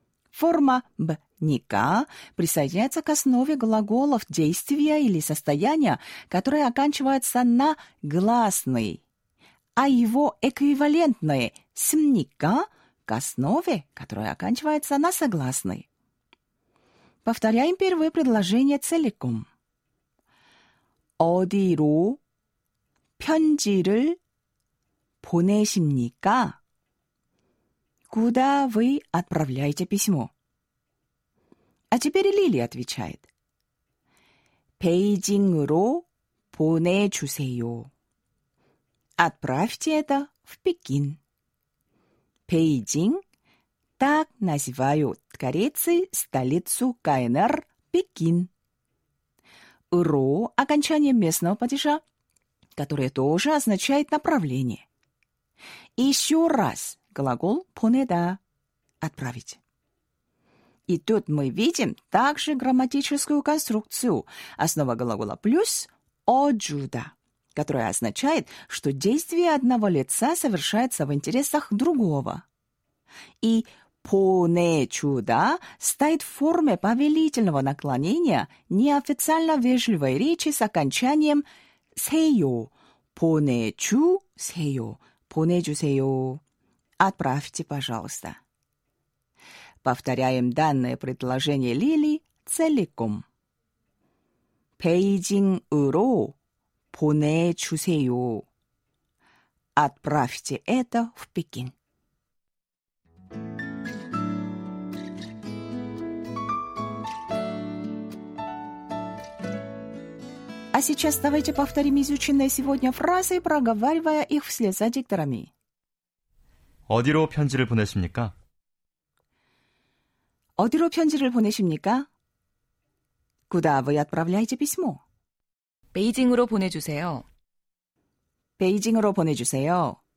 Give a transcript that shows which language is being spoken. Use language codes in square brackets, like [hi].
[ru] Форма «бника» присоединяется к основе глаголов действия или состояния, которые оканчиваются на гласный, а его эквивалентные «смника» к основе, которая оканчивается на согласный. Повторяем первое предложение целиком. [ko] 어디로 편지를 보내십니까? [ru] Куда вы отправляете письмо? А теперь Лили отвечает. [ko] 베이징으로 보내주세요. [ru] Отправьте это в Пекин. Пекин, так называют корейцы столицу КНР Пекин. Ро – окончание местного падежа, которое тоже означает направление. Еще раз глагол понеда – отправить. И тут мы видим также грамматическую конструкцию. Основа глагола плюс – оджуда, которая означает, что действие одного лица совершается в интересах другого. И «понечуда» стоит в форме повелительного наклонения неофициально вежливой речи с окончанием «сею», «понечу сею», «понечу сею». Отправьте, пожалуйста. Повторяем данное предложение Лили целиком. [ko] «베이징으로 보내주세요». [ru] Отправьте это в Пекин. А сейчас давайте повторим изученные сегодня фразы, проговаривая их вслед за дикторами. [ko] 어디로 편지를 보내십니까? 어디로 편지를 보내십니까? [ru] Куда вы отправляете письмо? [ko] 베이징으로 보내주세요. 베이징으로 보내주세요.